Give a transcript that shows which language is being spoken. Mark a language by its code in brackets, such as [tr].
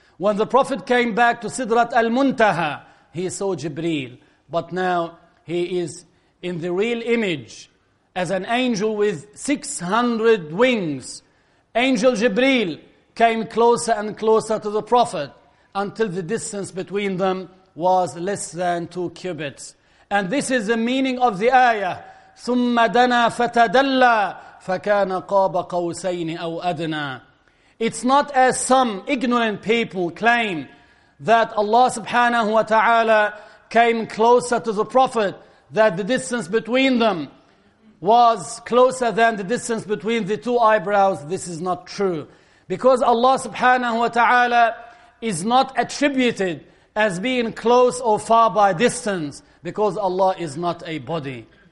[en] When the Prophet came back to Sidrat al-Muntaha, he saw Jibreel, but now he is in the real image as an angel with 600 wings. Angel Jibreel came closer and closer to the Prophet until the distance between them was less than 2 cubits. And this is the meaning of the ayah, [ar] ثُمَّ دَنَا فَتَدَلَّى فَكَانَ قَابَ قَوْسَيْنِ أَوْ أَدْنَى. [en] It's not as some ignorant people claim that Allah subhanahu wa ta'ala came closer to the Prophet, that the distance between them was closer than the distance between the two eyebrows. This is not true. Because Allah subhanahu wa ta'ala is not attributed as being close or far by distance, because Allah is not a body.